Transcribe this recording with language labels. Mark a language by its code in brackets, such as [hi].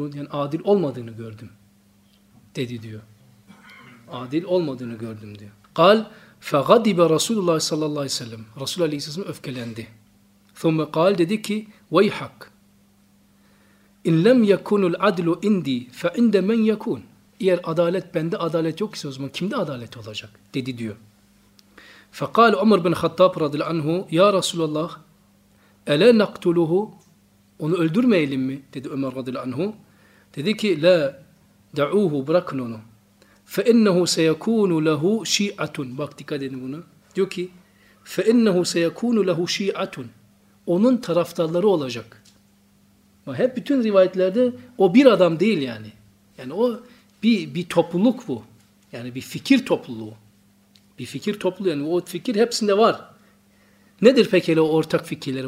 [tr] Adil olmadığını gördüm. Dedi diyor. Adil olmadığını gördüm diyor. [ar] قال فغضب رسول الله صلى الله عليه وسلم رسول الله اسمه [tr] öfkelendi. [ar] ثم قال [tr] dedi ki [ar] ويحك ان لم يكن العدل عندي فعند من يكون. [tr] Eğer adalet bende adalet yoksa o zaman kimde adalet olacak dedi diyor. [ar] فقال عمر بن الخطاب رضي الله عنه يا رسول الله الا نقتله. [tr] Onu öldürmeyelim mi dedi Ömer [ar] رضي الله عنه. [tr] Dedi ki [ar] لا دعوه بركن له فَإِنَّهُ سَيَكُونُ لَهُ شِيَعَةٌ. [tr] Bak dikkat edin buna. Diyor ki [ar] فَإِنَّهُ سَيَكُونُ لَهُ شِيَعَةٌ. [tr] Onun taraftarları olacak. Hep bütün rivayetlerde o bir adam değil yani. Yani o bir topluluk bu. Yani bir fikir topluluğu. Bir fikir topluluğu yani o fikir hepsinde var. Nedir peki o ortak fikirleri?